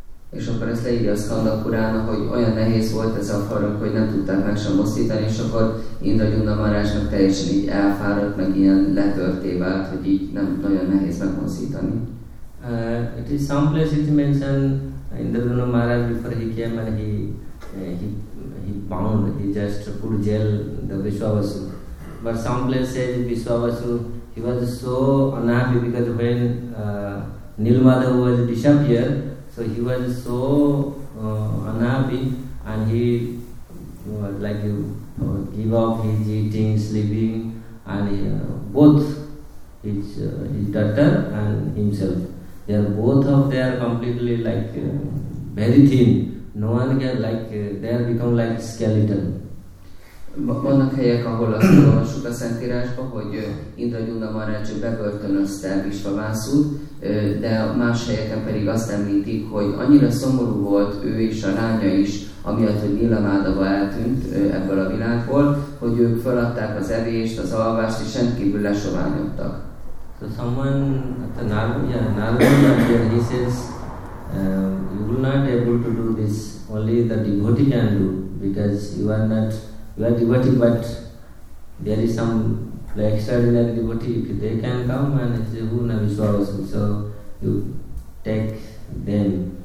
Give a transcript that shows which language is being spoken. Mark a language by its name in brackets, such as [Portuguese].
[Hungarian] És akkor ezt leírja a Skanda Purána, hogy olyan nehéz volt ez a farok, hogy nem tudták meg sem mozdítani, és akkor Indrajumna Maharajnak teljesen így elfáradt, meg ilyen letörté vált, hogy így nem nagyon nehéz megmozdítani. [English] It is some place it mentioned Indrajumna Maharaj before he came and he bound, he just put jail the Vishwavasu. But some place says Vishwavasu, he was so unhappy because when Nilmadha was disappeared, so he was so unhappy and he was like give up his eating, sleeping, and both his daughter and himself. They are both of them completely like very thin, no one can like they have become like skeleton. [Hungarian] Vannak helyek, ahol azt olvassuk a Szentírásba, hogy Indra Gyuna Maharaj bebörtönözte Vishva Vasut, de más helyeken pedig azt említik, hogy annyira szomorú volt ő és a lánya is, amiatt, hogy Lila Mádava eltűnt ebből a világból, hogy ők feladták az evést, az alvást, és rendkívül lesoványodtak. [English] So someone, the Narayana, he says, you will not able to do this, only the devotee can do, because you are not you are devotee, but there is some like extraordinary devotee, if they can come and say, who Navishwavasu, so you take them.